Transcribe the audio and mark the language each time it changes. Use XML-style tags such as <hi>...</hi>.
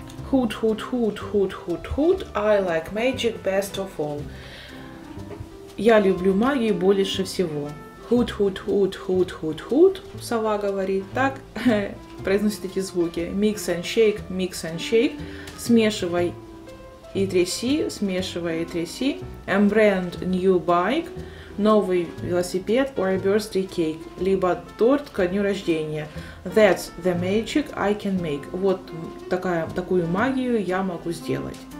<en>Hoot, hoot, hoot, hoot, hoot, hoot. I like magic best of all.</en> <ru>Я люблю магию больше всего. Hoot, hoot, hoot, hoot, hoot, hoot, сова говорит, так, произносит эти звуки.</ru> <en>Mix and shake,</en> <ru>смешивай и тряси, смешивай и тряси.</ru> <en>And brand new bike,</en> <ru>новый велосипед,</ru> <en>or a birthday cake,</en> <ru>либо торт ко дню рождения.</ru> <en>That's the magic I can make.</en> <ru>Вот такую магию я могу сделать.</ru>